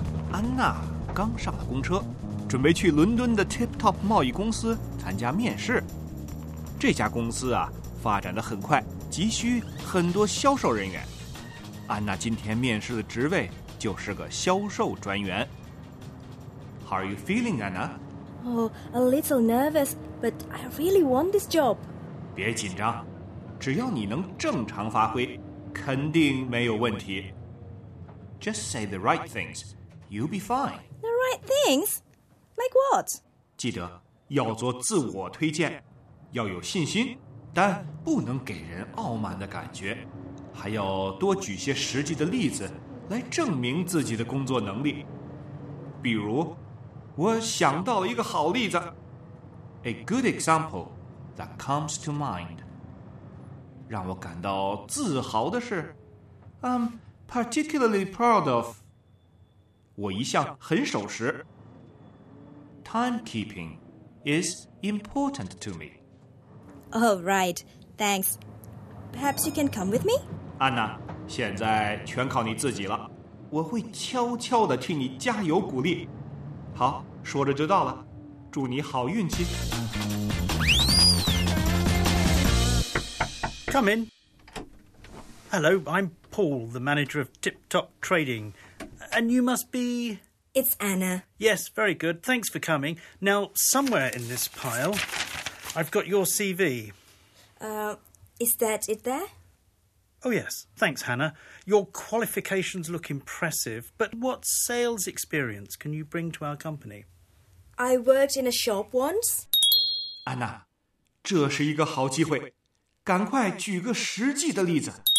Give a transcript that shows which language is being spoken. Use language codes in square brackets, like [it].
[zh] 安娜刚上了公车，准备去伦敦的 Tip Top 贸易公司参加面试。这家公司啊，发展得很快，急需很多销售人员。安娜今天面试的职位就是个销售专员。 [en] How are you feeling, Anna? Oh, a little nervous, but I really want this job. [zh] 别紧张，只要你能正常发挥，肯定没有问题。 [en] Just say the right things, you'll be fine. The right things? Like what? [zh] 记得要做自我推荐，要有信心，但不能给人傲慢的感觉，还要多举些实际的例子来证明自己的工作能力。比如，我想到了一个好例子。 [en] A good example that comes to mind. [zh] 让我感到自豪的是 [en] I'm particularly proud of. [zh] 我一向很守时。 [en] Timekeeping is important to me. Oh, right. Thanks. Perhaps you can come with me? [zh] 安娜，现在全靠你自己了。我会悄悄地替你加油鼓励。好，说着就到了，祝你好运气。 [en] Come in. Hello, I'm Paul, the manager of Tip Top Trading. And you must be... It's Anna. Yes, very good. Thanks for coming. Now, somewhere in this pile, I've got your CV. Is that it there? Oh, yes. Thanks, Hannah. Your qualifications look impressive, but what sales experience can you bring to our company? I worked in a shop once. [zh] Anna, 这是一个好机会，赶快举个实际的例子。